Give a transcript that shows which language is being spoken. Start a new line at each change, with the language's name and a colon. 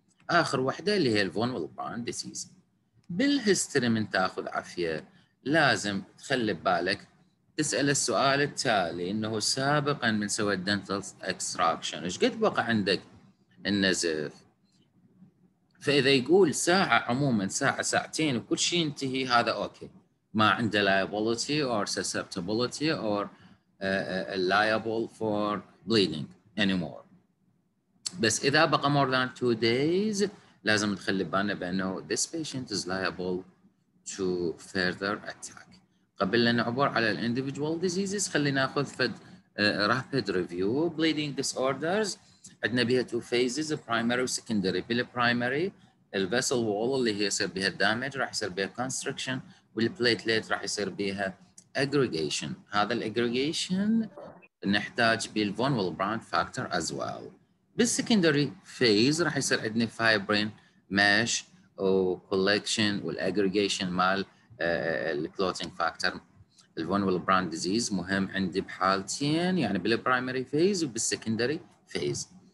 Arabic: اخر وحده اللي هي الفون والبان ديزيز. بالهستري من تاخذ عافيه لازم تخلي ببالك تسأل السؤال التالي انه سابقا من سوى الدنتال اكستراكشن ايش قد بقى عندك النزف؟ فاذا يقول ساعه عموما ساعه ساعتين وكل شيء ينتهي هذا اوكي ما عنده
English: liability or susceptibility or liable for bleeding anymore.
Arabic: بس اذا بقى
English: more than two days
Arabic: لازم تخلي بالنا بانه
English: this patient is liable to further attack.
Arabic: قبل أن نعبر على الـ
English: individual diseases
Arabic: خلينا نأخذ فد
English: rapid review. Bleeding disorders
Arabic: عندنا بها
English: two phases primary and secondary.
Arabic: بالـ primary الـ
English: vessel wall
Arabic: اللي هي يصير بها damage راح يصير بها constriction والـ platelet راح يصير بها aggregation. هذا الـ aggregation نحتاج بالـ von Willebrand factor
English: as well.
Arabic: بالـ
English: secondary phase
Arabic: راح يصير عندنا
English: fibrin mesh
Arabic: و collection والـ aggregation مال الكلوتينج فاكتور. الفون والبراند ديزيز مهم عندي بحالتين يعني بالبرايمري فيز وبالسكندري فيز.